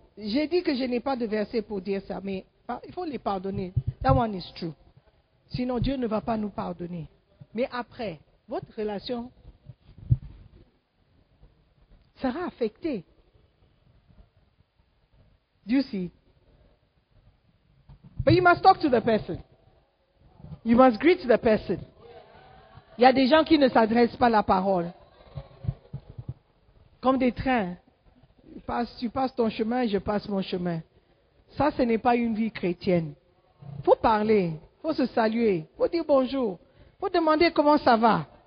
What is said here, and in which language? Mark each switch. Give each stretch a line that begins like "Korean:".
French: J'ai dit que je n'ai pas de verset pour dire ça, mais il faut les pardonner.
English: That one is true.
French: Sinon, Dieu ne va pas nous pardonner. Mais après, votre relation sera affectée.
English: Do you see? But you must talk to the person. You must greet the person.
French: Il y a des gens qui ne s'adressent pas la parole. Comme des trains. Tu passes ton chemin, je passe mon chemin. Ça, ce n'est pas une vie chrétienne. Il faut parler, il faut se saluer, il faut dire bonjour, il faut demander comment ça va.